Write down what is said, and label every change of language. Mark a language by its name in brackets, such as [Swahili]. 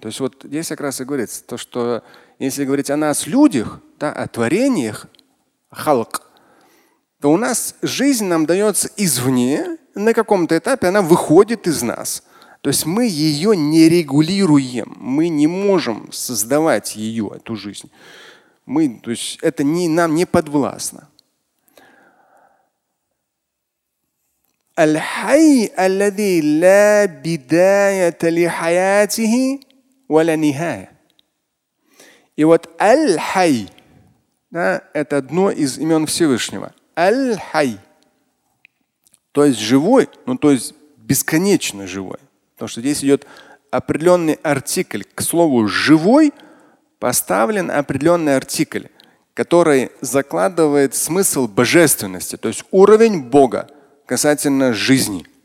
[Russian] То есть вот здесь как раз и говорится, то, что если говорить о нас, людях, да, о творениях, халк, то у нас жизнь нам дается извне, на каком-то этапе она выходит из нас. То есть мы ее не регулируем, мы не можем создавать ее, эту жизнь. Мы, то есть это не, нам не подвластно. [Arabic] الحي الذي لا بداية لحياته ولا نهاية. [Russian] И вот Аль-Хай, да, это одно из имен Всевышнего. Аль-Хай. То есть живой, ну то есть бесконечно живой. Потому что здесь идет определенный артикль. К слову «живой» поставлен определенный артикль, который закладывает смысл божественности, то есть уровень Бога касательно жизни.